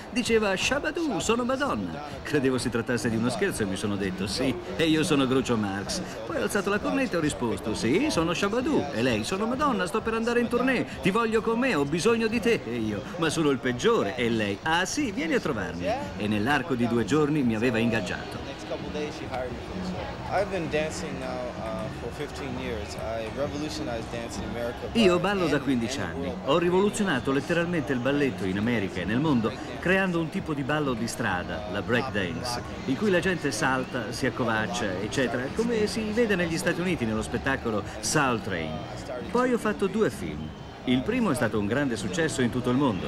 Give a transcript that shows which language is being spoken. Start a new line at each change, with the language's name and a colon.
Italian: Diceva: Shabadoo, sono Madonna. Credevo si trattasse di uno scherzo e mi sono detto: sì, e io sono Groucho Marx. Poi ho alzato la cornetta e ho risposto: sì, sono Shabadoo. E lei: sono Madonna, sto per andare in tournée. Ti voglio con me, ho bisogno di te. E io: ma sono il peggiore. E lei: ah sì, vieni a trovarmi. E nell'arco di due giorni mi aveva ingaggiato.
English: I've been dancing now for 15 years. I revolutionized dance in America.
Italian: Io ballo da 15 anni. Ho rivoluzionato letteralmente il balletto in America e nel mondo creando un tipo di ballo di strada, la breakdance, in cui la gente salta, si accovaccia, eccetera, come si vede negli Stati Uniti nello spettacolo Soul Train. Poi ho fatto due film. Il primo è stato un grande successo in tutto il mondo.